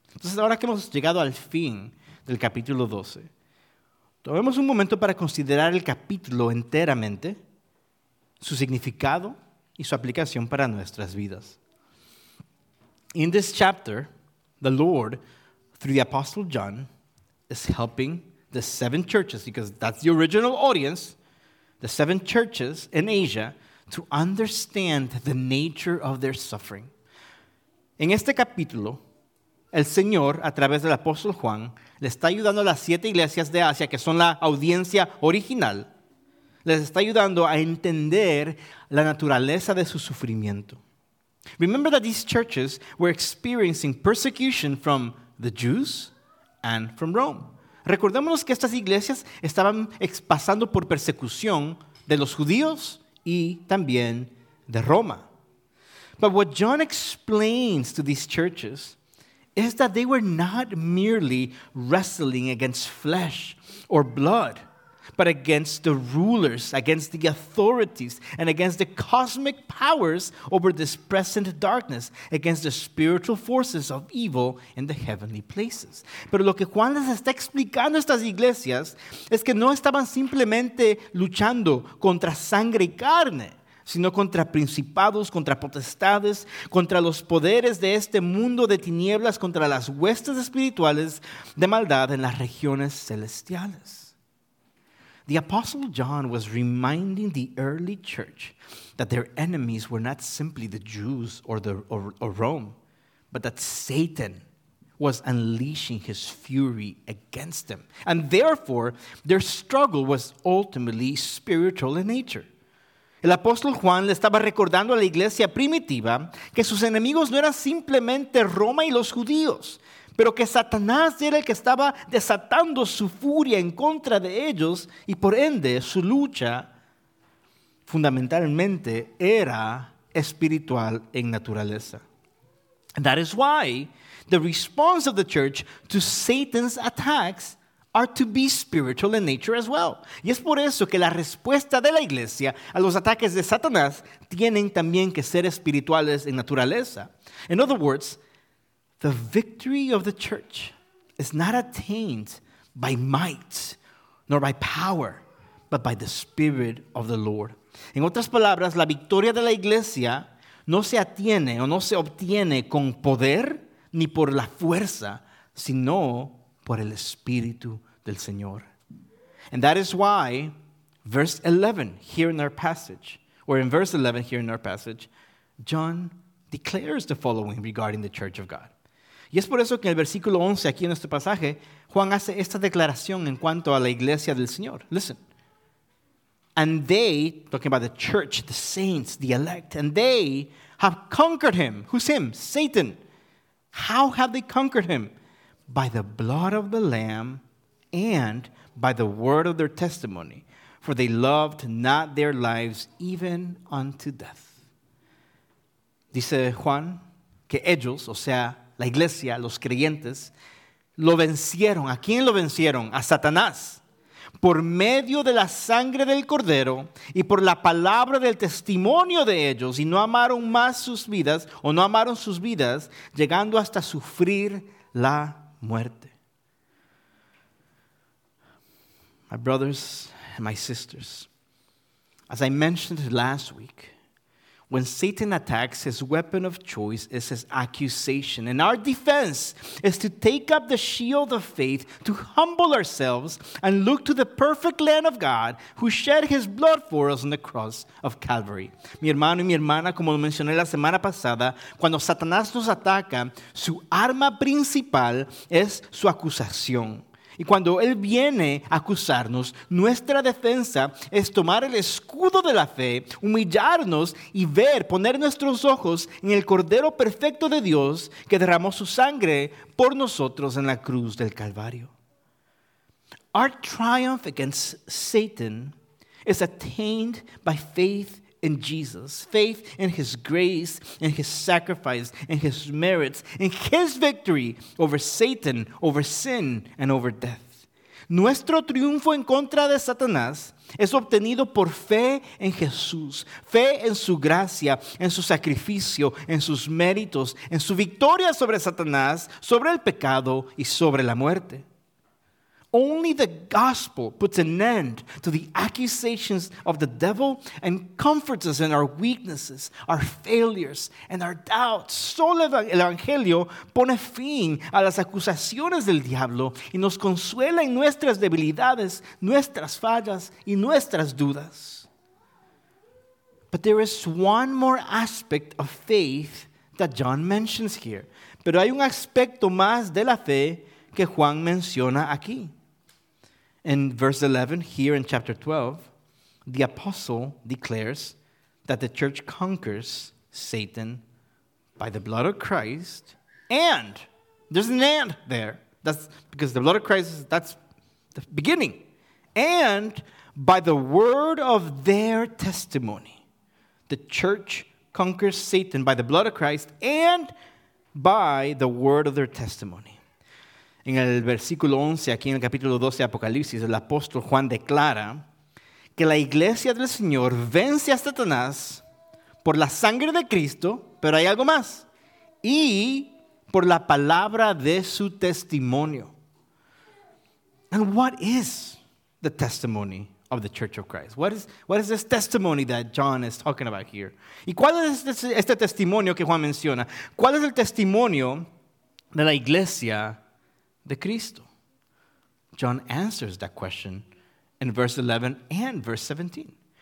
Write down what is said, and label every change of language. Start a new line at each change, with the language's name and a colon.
Spanish: Entonces, ahora que hemos llegado al fin del capítulo 12, tomemos un momento para considerar el capítulo enteramente, su significado y su aplicación para nuestras vidas.
English: In this chapter, the Lord, through the Apostle John, is helping the seven churches, because that's the original audience, the seven churches in Asia, to understand the nature of their suffering.
Spanish: En este capítulo, el Señor, a través del Apóstol Juan, le está ayudando a las siete iglesias de Asia, que son la audiencia original, les está ayudando a entender la naturaleza de su sufrimiento.
English: Remember that these churches were experiencing persecution from the Jews and from Rome.
Spanish: Recordémonos que estas iglesias estaban pasando por persecución de los judíos y también de Roma.
English: But what John explains to these churches is that they were not merely wrestling against flesh or blood, but against the rulers, against the authorities, and against the cosmic powers over this present darkness, against the spiritual forces of evil in the heavenly places.
Spanish: Pero lo que Juan les está explicando a estas iglesias es que no estaban simplemente luchando contra sangre y carne, sino contra principados, contra potestades, contra los poderes de este mundo de tinieblas, contra las huestes espirituales de maldad en las regiones celestiales.
English: The Apostle John was reminding the early church that their enemies were not simply the Jews or Rome, but that Satan was unleashing his fury against them. And therefore, their struggle was ultimately spiritual in nature.
Spanish: El apóstol Juan le estaba recordando a la iglesia primitiva que sus enemigos no eran simplemente Roma y los judíos, pero que Satanás era el que estaba desatando su furia en contra de ellos y por ende su lucha fundamentalmente era espiritual en naturaleza.
English: And that is why the response of the church to Satan's attacks are to be spiritual in nature as well.
Spanish: Y es por eso que la respuesta de la iglesia a los ataques de Satanás tienen también que ser espirituales en naturaleza.
English: In other words, the victory of the church is not attained by might, nor by power, but by the Spirit of the Lord.
Spanish: En otras palabras, la victoria de la iglesia no se atiene o no se obtiene con poder ni por la fuerza, sino por el Espíritu del Señor.
English: And that is why verse 11 here in our passage, or in verse 11 here in our passage, John declares the following regarding the church of God.
Spanish: Y es por eso que en el versículo 11 aquí en nuestro pasaje, Juan hace esta declaración en cuanto a la iglesia del Señor.
English: Listen. And they, talking about the church, the saints, the elect, and they have conquered him. Who's him? Satan. How have they conquered him? By the blood of the Lamb and by the word of their testimony. For they loved not their lives even unto death.
Spanish: Dice Juan que ellos, o sea, la iglesia, los creyentes, lo vencieron. ¿A quién lo vencieron? A Satanás. Por medio de la sangre del Cordero y por la palabra del testimonio de ellos, y no amaron más sus vidas, o no amaron sus vidas, llegando hasta sufrir la muerte.
English: My brothers and my sisters, as I mentioned last week, when Satan attacks, his weapon of choice is his accusation. And our defense is to take up the shield of faith, to humble ourselves and look to the perfect Lamb of God who shed his blood for us on the cross of Calvary.
Spanish: Mi hermano y mi hermana, como lo mencioné la semana pasada, cuando Satanás nos ataca, su arma principal es su acusación. Y cuando él viene a acusarnos, nuestra defensa es tomar el escudo de la fe, humillarnos y ver, poner nuestros ojos en el Cordero Perfecto de Dios que derramó su sangre por nosotros en la cruz del Calvario.
English: Our triumph against Satan is attained by faith in Jesus. Faith in his grace, in his sacrifice, in his merits, in his victory over Satan, over sin, and over death.
Spanish: Nuestro triunfo en contra de Satanás es obtenido por fe en Jesús. Fe en su gracia, en su sacrificio, en sus méritos, en su victoria sobre Satanás, sobre el pecado y sobre la muerte.
English: Only the gospel puts an end to the accusations of the devil and comforts us in our weaknesses, our failures, and our doubts.
Spanish: Solo el evangelio pone fin a las acusaciones del diablo y nos consuela en nuestras debilidades, nuestras fallas, y nuestras dudas.
English: But there is one more aspect of faith that John mentions here.
Spanish: Pero hay un aspecto más de la fe que Juan menciona aquí.
English: In verse 11, here in chapter 12, the apostle declares that the church conquers Satan by the blood of Christ, and there's an and there. That's because the blood of Christ, that's the beginning. And by the word of their testimony, the church conquers Satan by the blood of Christ and by the word of their testimony.
Spanish: En el versículo 11, aquí en el capítulo 12 de Apocalipsis, el apóstol Juan declara que la iglesia del Señor vence a Satanás por la sangre de Cristo, pero hay algo más, y por la palabra de su testimonio.
English: And what is the testimony of the Church of Christ? What is this testimony that John is talking about here?
Spanish: ¿Y cuál es este testimonio que Juan menciona? ¿Cuál es el testimonio de la iglesia de Cristo?
English: John answers that question in verse 11 and verse 17.